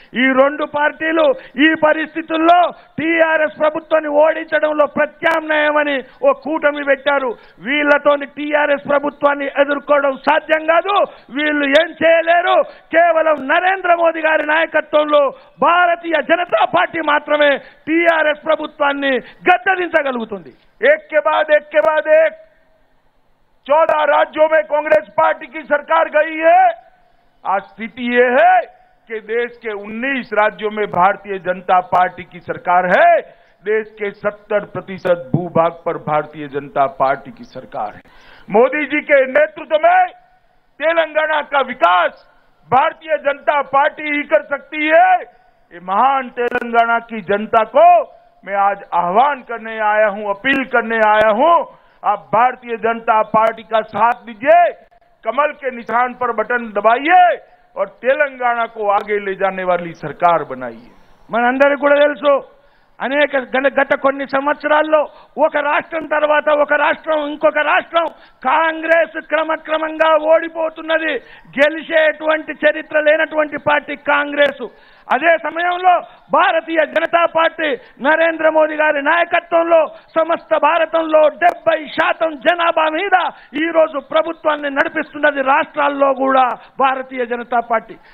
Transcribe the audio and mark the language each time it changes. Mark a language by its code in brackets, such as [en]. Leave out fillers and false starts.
[te] ఈ రెండు పార్టీలు ఈ పరిస్థితుల్లో టీఆర్ఎస్ ప్రభుత్వాన్ని ఓడించడంలో ప్రత్యామ్నాయమని ఓ కూటమి పెట్టారు. వీళ్లతోని టీఆర్ఎస్ ప్రభుత్వాన్ని ఎదుర్కోవడం సాధ్యం కాదు. వీళ్ళు ఏం చేయలేరు, కేవలం నరేంద్ర మోదీ గారి నాయకత్వంలో భారతీయ జనతా పార్టీ మాత్రమే టీఆర్ఎస్ ప్రభుత్వాన్ని గద్దరించగలుగుతుంది. [hi] चौदह राज्यों में कांग्रेस पार्टी की सरकार गई है. आज स्थिति यह है कि देश के 19 राज्यों में भारतीय जनता पार्टी की सरकार है. देश के 70% भूभाग पर भारतीय जनता पार्टी की सरकार है. मोदी जी के नेतृत्व में तेलंगाना का विकास भारतीय जनता पार्टी ही कर सकती है. ये महान तेलंगाना की जनता को मैं आज आह्वान करने आया हूं, अपील करने आया हूं, आप भारतीय जनता पार्टी का साथ दीजिए, कमल के निशान पर बटन दबाइए और तेलंगाना को आगे ले जाने वाली सरकार बनाइए. [te] मन अंदर तेलुसु అనేక గత కొన్ని సంవత్సరాల్లో ఒక రాష్ట్రం తర్వాత ఒక రాష్ట్రం ఇంకొక రాష్ట్రం కాంగ్రెస్ క్రమక్రమంగా ఓడిపోతున్నది. గెలిచేటువంటి చరిత్ర లేనటువంటి పార్టీ కాంగ్రెస్. అదే సమయంలో భారతీయ జనతా పార్టీ నరేంద్ర మోదీ గారి నాయకత్వంలో సమస్త భారతంలో 70% జనాభా మీద ఈరోజు ప్రభుత్వాన్ని నడిపిస్తున్నది రాష్ట్రాల్లో కూడా భారతీయ జనతా పార్టీ.